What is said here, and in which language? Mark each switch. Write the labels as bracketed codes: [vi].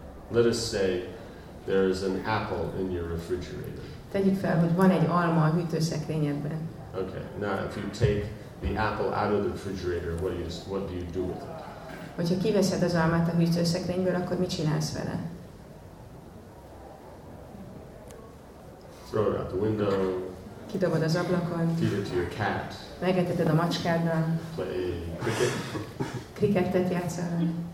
[en] Let us say there is an apple in your refrigerator. [hu] Tegyük fel, hogy van egy alma a hűtőszekrényedben. [en] Okay. Now, if you take the apple out of the refrigerator, what do you do with it? [hu] Hogyha kiveszed az almát a hűtőszekrényből, akkor mit csinálsz vele? [en] Throw it out the window. [hu] Kidobod az ablakon. [en] Feed it to your cat. [hu] Megeteted a macskáddal. [en] Play cricket. [hu] Krikettet játszol vele.